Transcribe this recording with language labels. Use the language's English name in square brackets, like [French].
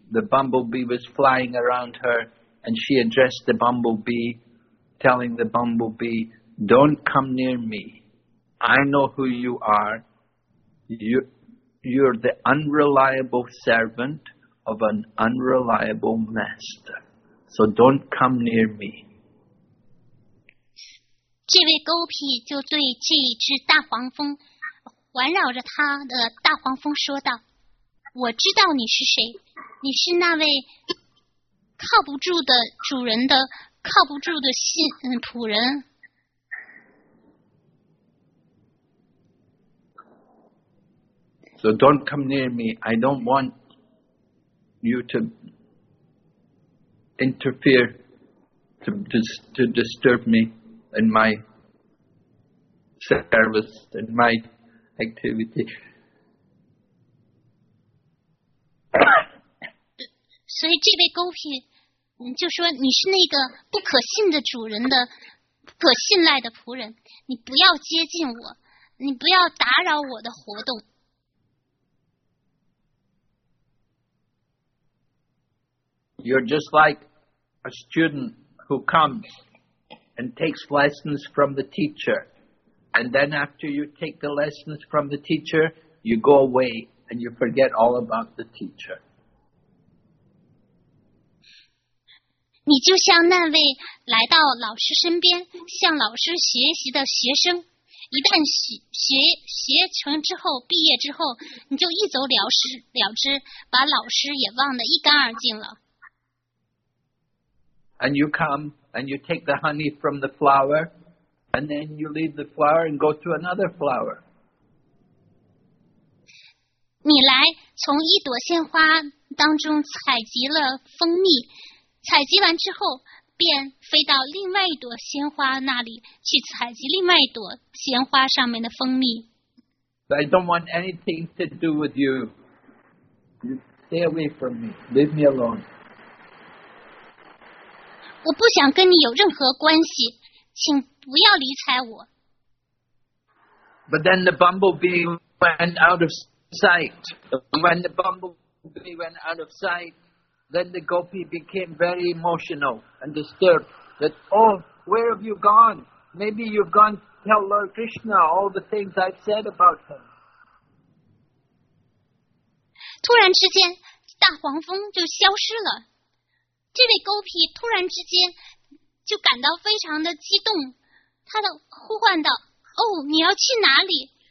[English] The bumblebee was flying around her, and she addressed the bumblebee, telling the bumblebee, don't come near me. I know who you are. You're the unreliable servant of an unreliable master. So don't come near me. [Chinese] 这位沟皮就对这一只大黄蜂环绕着他的大黄蜂说道，我知道你是谁，你是那位靠不住的主人的靠不住的仆人。 [English] So don't come near me. I don't want you to interfere to disturb me in my service, in myactivity. [Chinese] 所以这位沟皮就说，你是那个不可信的主人的不可信赖的仆人，你不要接近我，你不要打扰我的活动。 [English] You're just like a student who comes and takes lessons from the teacherAnd then after you take the lessons from the teacher, you go away and you forget all about the teacher. [Chinese] 你就像那位来到老师身边向老师学习的学生，一旦学成之后，毕业之后，你就一走了之，把老师也忘得一干二净了。 [English] And you come and you take the honey from the flower. And then you leave the flower and go to another flower. [Chinese] 你来从一朵鲜花当中采集了蜂蜜，采集完之后便飞到另外一朵鲜花那里去采集另外一朵鲜花上面的蜂蜜。 [English] I don't want anything to do with you. You stay away from me. Leave me alone. [Chinese] 我不想跟你有任何关系，请不要理睬我。 [English] But then the bumblebee went out of sight. When the bumblebee went out of sight, then the gopi became very emotional and disturbed. That, oh, where have you gone? Maybe you've gone to tell Lord Krishna all the things I've said about him. [Chinese] 突然之间，大黄蜂就消失了。这位沟皮突然之间就感到非常的激动，他的呼唤道，哦，你要去哪里？